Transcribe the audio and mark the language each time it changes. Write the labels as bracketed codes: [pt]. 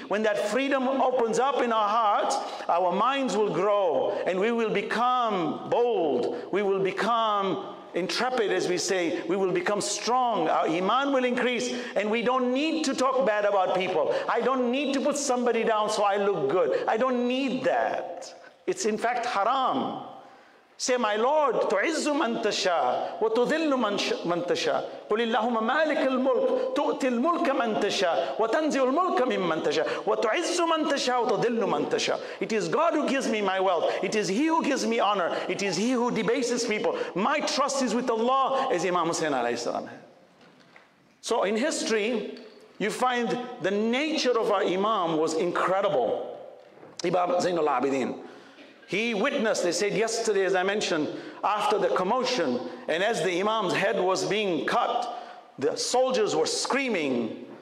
[en] When that freedom opens up in our hearts, our minds will grow and we will become bold. We will become intrepid, as we say. We will become strong. Our iman will increase and we don't need to talk bad about people. I don't need to put somebody down so I look good. I don't need that. It's in fact haram. Say, my Lord, [ar] تُعِزُّ مَنْ تَشَاءُ وَتُذِلُّ مَنْ تَشَاءُ قُلِ اللَّهُمَ مَالِكَ الْمُلْكِ تُؤْتِي الْمُلْكَ مَنْ تَشَاءُ وَتَنْزِعُ الْمُلْكَ مِمَّنْ تَشَاءُ وَتُعِزُّ مَنْ تَشَاءُ وَتُذِلُّ مَنْ تَشَاءُ [en] It is God who gives me my wealth. It is He who gives me honor. It is He who debases people. My trust is with Allah, as Imam Hussein alayhi salam. So in history, you find the nature of our Imam was incredible. Imam Zain al-Abidin, he witnessed, they said yesterday, as I mentioned, after the commotion, and as the Imam's head was being cut, the soldiers were screaming.